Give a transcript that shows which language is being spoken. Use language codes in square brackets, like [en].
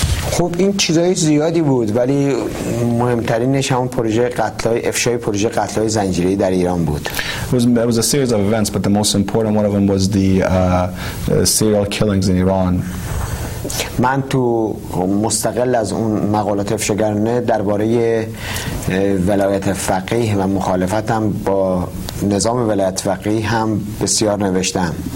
[fa] خب این چیزای زیادی بود ولی مهمترینش همون پروژه قتل‌های افشای پروژه قتل‌های زنجیره‌ای در ایران بود. [en] It was a series of events but the most important one of them was the serial killings in Iran. [fa] من تو مستقل از اون مقالات افشاگرانه درباره ولایت فقیه و مخالفتم با نظام ولایت فقیه هم بسیار نوشتم.